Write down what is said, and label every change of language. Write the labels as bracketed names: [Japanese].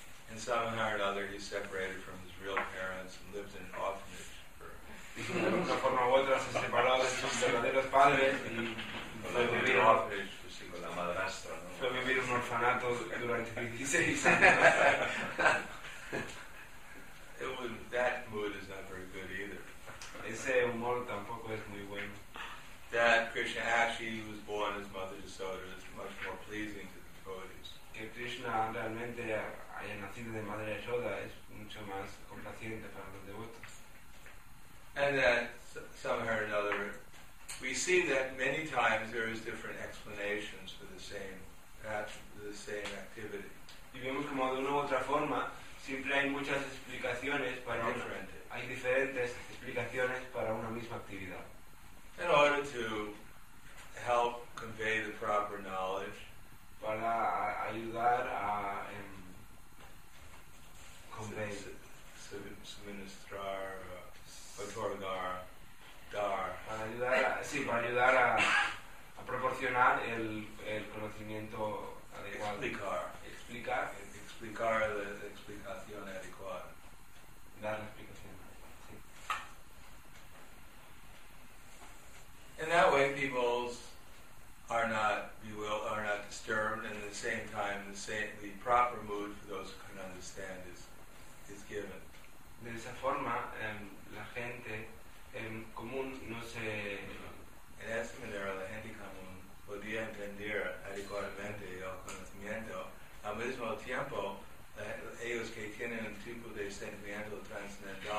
[English] And somehow or another he separated from his real parents and lived in an orphanage for [Spanish] una forma u otra se separó de sus verdaderos padres y fue vivir en un orfanato durante 16 años. [English] That mood is not very good either. [Spanish] Ese humor tampoco es muy bueno. [English] That Krishna actually was born as Mother Yasoda is much more pleasing to the devotees. [Spanish] Que Krishna realmente haya nacido de Madre Yasoda es mucho más complaciente para los devotos. [English] And that somehow or another we see that many times there is different explanations for the same activity. [Spanish] Y vemos como de una u otra forma siempre hay muchas explicaciones para hay diferentes explicaciones para una misma actividad. [English] In order to help convey the proper knowledge, [Spanish] para ayudar a convey suministrar otorgar dar. Para ayudar a proporcionar el conocimiento adecuado. Explicar la explicación adecuada. Dar la explicación. Sí. [English] In that way, people are not disturbed, and at the same time, the proper mood for those who can understand is given. [Spanish] De esa forma, la gente en común no se. En esa manera la gente común podía entender adecuadamente el conocimiento. Al mismo tiempo, ellos que tienen un tipo de sentimiento transcendental.